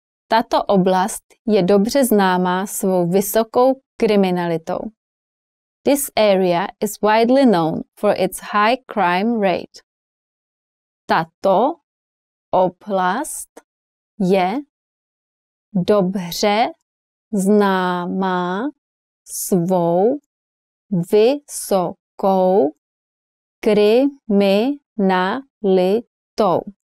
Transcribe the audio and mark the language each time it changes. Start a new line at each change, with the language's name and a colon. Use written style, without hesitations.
Czech: Tato oblast je dobře známá svou vysokou kriminalitou.
English: This area is widely known for its high crime rate.
Czech: Tato oblast je dobře známá svou vysokou kriminalitou.